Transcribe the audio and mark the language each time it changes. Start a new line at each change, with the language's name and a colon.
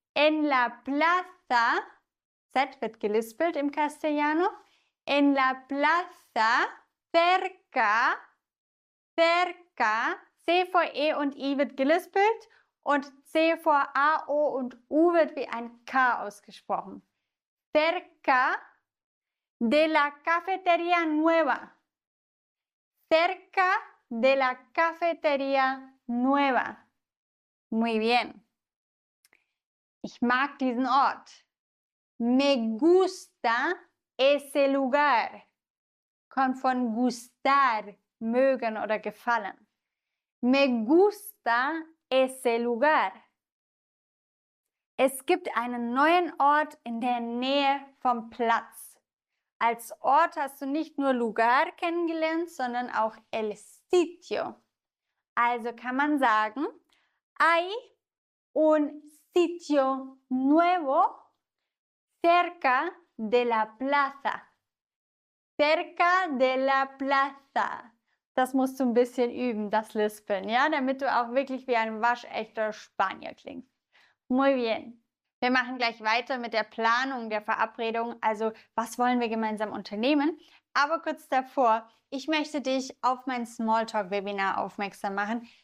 Spanish: En la plaza.
German: Z wird gelispelt im Castellano.
Spanish: En la plaza. Cerca. Cerca.
German: C vor E und I wird gelispelt. Und C vor A, O und U wird wie ein K ausgesprochen.
Spanish: Cerca de la cafetería nueva. Cerca de la cafetería nueva. Muy bien.
German: Ich mag diesen Ort.
Spanish: Me gusta ese lugar.
German: Kommt von gustar, mögen oder gefallen.
Spanish: Me gusta ese lugar.
German: Es gibt einen neuen Ort in der Nähe vom Platz. Als Ort hast du nicht nur lugar kennengelernt, sondern auch el sitio. Also kann man sagen,
Spanish: hay un sitio nuevo cerca de la plaza. Cerca de la plaza.
German: Das musst du ein bisschen üben, das Lispeln, ja, damit du auch wirklich wie ein waschechter Spanier klingst.
Spanish: Muy bien.
German: Wir machen gleich weiter mit der Planung der Verabredung, also was wollen wir gemeinsam unternehmen. Aber kurz davor, ich möchte dich auf mein Smalltalk-Webinar aufmerksam machen.